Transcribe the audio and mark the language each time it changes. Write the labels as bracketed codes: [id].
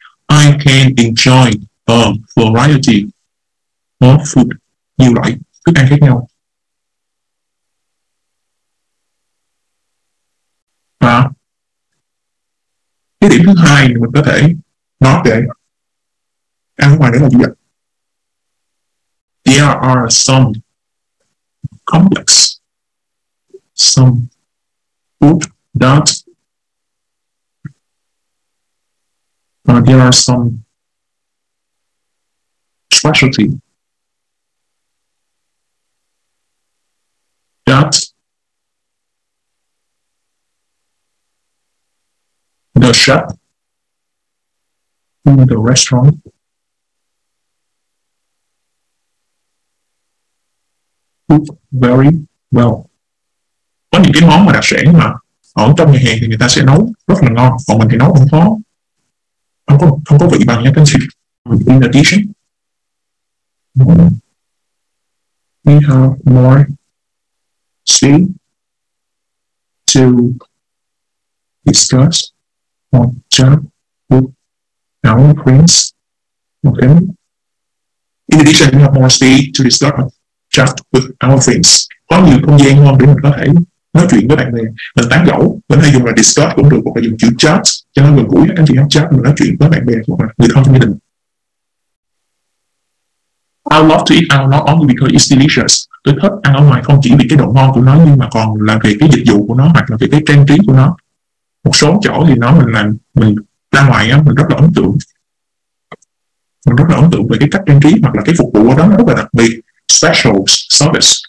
[en] I can enjoy a variety of food. [vi] Nhiều loại thức ăn khác nhau. Và cái điểm thứ hai mình có thể nói về ăn ngoài nữa là gì ạ? [en] There are some complex, some food that there are some specialty that the chef in the restaurant cook very well. [vi] Có những cái món mà đặc sản mà ở trong nhà hàng thì người ta sẽ nấu rất là ngon, còn mình thì nấu không khó, không có vị bằng nhé các anh chị. [en] In addition, we have more space to discuss on chat with our friends. Okay. In addition, we have more space to discuss on chat with our friends. [vi] Có nhiều không gian hơn để mình có thể nói chuyện với bạn bè. Mình tán gẫu, mình hay dùng là discuss cũng được, hoặc là dùng chữ chat cho nó gần gũi. Anh chị hát chat, mình nói chuyện với bạn bè hoặc là người thân trong gia đình. [en] I love to eat out not only because it's delicious. [vi] Tôi thích ăn ở ngoài không chỉ vì cái độ ngon của nó, nhưng mà còn là về cái dịch vụ của nó hoặc là về cái trang trí của nó. Một số chỗ thì nó mình làm, mình ra ngoài á, mình rất là ấn tượng. Mình rất là ấn tượng về cái cách trang trí hoặc là cái phục vụ của nó rất là đặc biệt. [en] Special service.